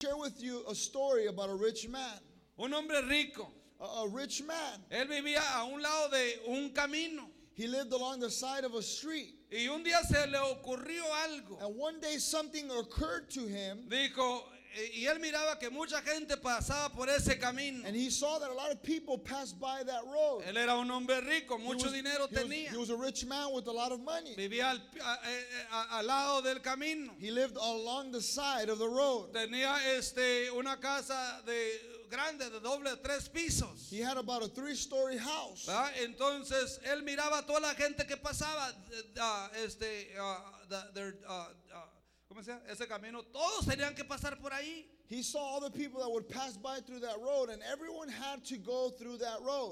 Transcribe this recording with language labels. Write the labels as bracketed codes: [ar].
[en] with you a story about a rich man. [es] Un hombre rico. [en] A rich man. [es] Él vivía a un lado de un camino. [en] He lived along the side of a street. [es] Y un día se le ocurrió algo. [en] And one day something occurred to him. [es] Dijo, y él miraba que mucha gente pasaba por ese camino. [en] And he saw that a lot of people passed by that road. [es] Él era un hombre rico, mucho dinero tenía. [en] He was a rich man with a lot of money. [es] Vivía al lado del camino. [en] He lived along the side of the road. [es] Tenía una casa de grande, de doble, tres pisos. [en] He had about a three-story house. [es] Entonces él miraba a toda la gente que pasaba ese camino, todos tenían que pasar por ahí. [en] He saw all the people that would pass by through that road, and everyone had to go through that road.